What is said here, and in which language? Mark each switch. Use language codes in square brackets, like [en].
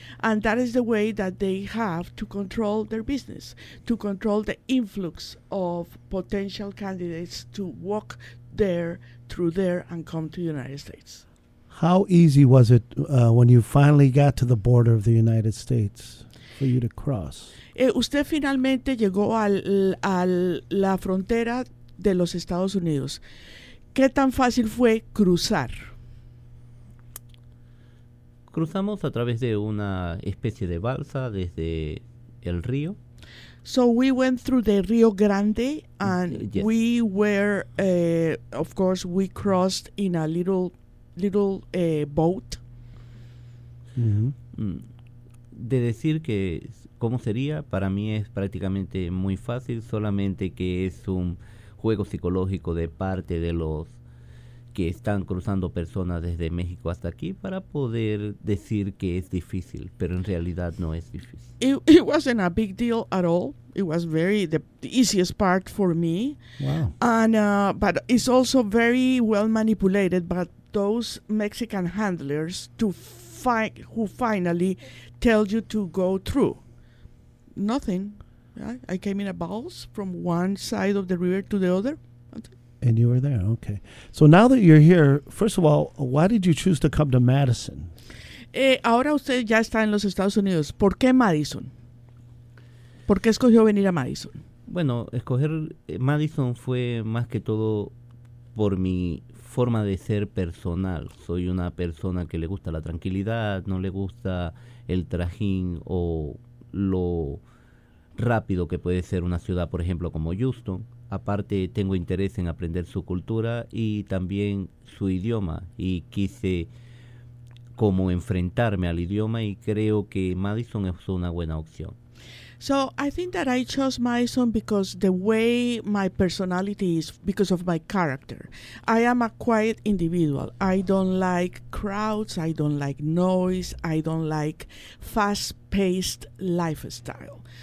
[en] And that is the way that they have to control their business, to control the influx of potential candidates to walk there, through there, and come to the United States. How easy was it when you finally got to the border of the United States for you to cross? [es] Usted finalmente llegó a la frontera de los Estados Unidos. ¿Qué tan fácil fue cruzar? Cruzamos a través de una especie de balsa desde el río. [en] So we went through the Rio Grande, and yes, we were, of course, we crossed in a little boat. Mm-hmm. [es] De decir que cómo sería, para mí es prácticamente muy fácil, solamente que es un juego psicológico de parte de los que están cruzando personas desde México hasta aquí para poder decir que es difícil, pero en realidad no es difícil. [en] It wasn't a big deal at all. It was very the easiest part for me. Wow. And but it's also very well manipulated by those Mexican handlers who finally tell you to go through. Nothing. I came in a bus from one side of the river to the other. And you were there, okay. So now that you're here, first of all, why did you choose to come to Madison? [es] Ahora usted ya está en los Estados Unidos. ¿Por qué Madison? ¿Por qué escogió venir a Madison? Bueno, escoger Madison fue más que todo por mi forma de ser personal. Soy una persona que le gusta la tranquilidad, no le gusta el trajín o lo rápido que puede ser una ciudad, por ejemplo, como Houston. Aparte, tengo interés en aprender su cultura y también su idioma, y quise como enfrentarme al idioma, y creo que Madison es una buena opción. [en] So I think that I chose Madison because the way my personality is, because of my character. I am a quiet individual. I don't like crowds. I don't like noise. I don't like fast-paced lifestyle.